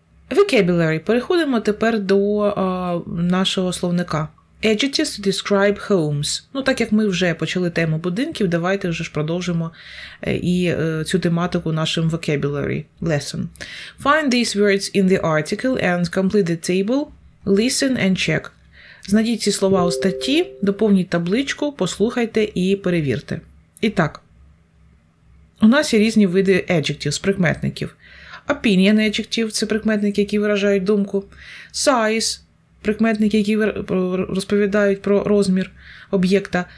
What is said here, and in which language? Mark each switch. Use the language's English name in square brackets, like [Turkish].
[English] Vocabulary. [Ukrainian] Переходимо тепер до нашого словника. [English] Adjectives to describe homes. [Ukrainian] Ну, так як ми вже почали тему будинків, давайте вже ж продовжимо і цю тематику нашим [English] vocabulary lesson. Find these words in the article and complete the table. Listen and check. [Ukrainian] Знайдіть ці слова у статті, доповніть табличку, послухайте і перевірте. І так. У нас є різні види adjectives, прикметників. Opinion adjective – це прикметники, які виражають думку. Size – прикметники, які розповідають про розмір об'єкта.